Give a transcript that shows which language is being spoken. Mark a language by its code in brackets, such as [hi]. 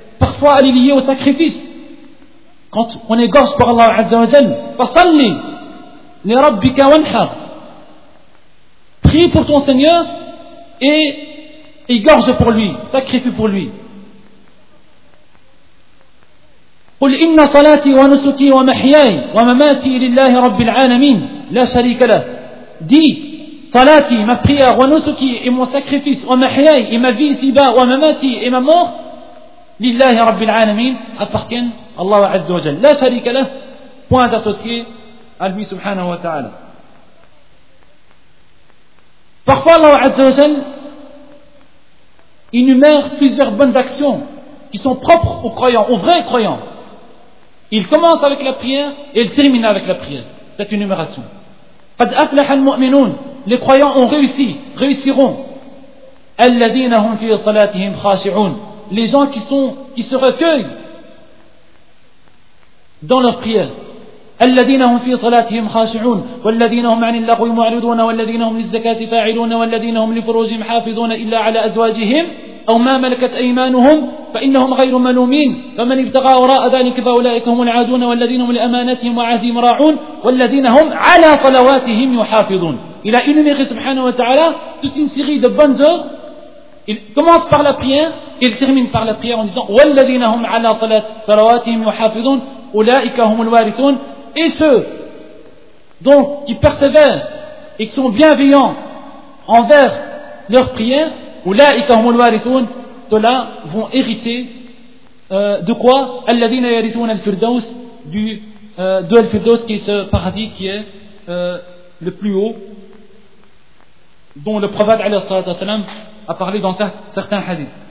[fr] Parfois, elle est liée au sacrifice. Quand on est gorge par Allah Azza wa Jal, [ar] fasalli li rabbika wanhar, [fr] prie pour ton Seigneur et égorge pour lui, sacrifie pour lui. [ar] قل إن صلاتي ونسكي ومحياي ومماتي لله رب العالمين لا شريك له. دي صلاتي ما [fr] prière [ar] ونسكي [fr] et mon sacrifice [ar] ومحياي [fr] et ma vie ici bas [ar] ومماتي [fr] et ma mort [ar] لله رب العالمين [fr] appartient [ar] الله عز وجل لا شريك له [fr] point associé à lui subhanahu wa ta'ala. Parfois, Allah Azza wa Jal énumère plusieurs bonnes actions qui sont propres aux croyants, aux vrais croyants. Il commence avec la prière et il termine avec la prière, cette énumération. [ar] قَدْ أَفْلَحَ الْمُؤْمِنُونَ [fr] Les croyants ont réussi, réussiront. [ar] الَّذِينَ هُمْ فِي صَلَاتِهِمْ خَاشِعُونَ [fr] Les gens qui sont, qui se recueillent dans leur prière. [ar] الَّذِينَ هُمْ فِي صَلَاتِهِمْ خَاشِعُونَ وَالَّذِينَ هُمْ عَنِ اللَّغْوِ مُعْرِضُونَ وَالَّذِينَ هُمْ لِلزَّكَاةِ فَاعِلُونَ وَالَّذِينَ هُمْ لِفُرُوجِهِمْ حَافِظُونَ إِلَّا عَلَى أَزْوَاجِهِمْ أَوْ مَا مَلَكَتْ أَيْمَانُهُمْ فَإِنَّهُمْ غَيْرُ مَلُومِينَ فَمَنِ ابْتَغَى وَرَاءَ ذَلِكَ فَأُولَئِكَ هُمُ الْعَادُونَ وَالَّذِينَ هُمْ لِأَمَانَتِهِمْ وَعَهْدِهِمْ رَاعُونَ وَالَّذِينَ هُمْ عَلَى صَلَوَاتِهِمْ يُحَافِظُونَ [fr] Il a énuméré subhanahu wa ta'ala toute une série de bonnes œuvres. Il commence par la prière et il termine par la prière en disant [ar] وَالَّذِينَ هُمْ عَلَى صَلَوَاتِهِمْ يُحَافِظُونَ أُولَئِكَ هُمُ الْوَارِثُونَ [fr] Et ceux donc qui persévèrent et qui sont bienveillants envers leur prière, [ar] أُولَئِكَ هُمُ الْوَارِثُونَ [fr] Ceux-là vont hériter de quoi [ar] الَّذِينَ يَرِثُونَ الْفِرْدَوْسِ [fr] de الْفِرْدَوْسِ qui est ce paradis qui est le plus haut dont le prophète والسلام, a parlé dans certains hadiths.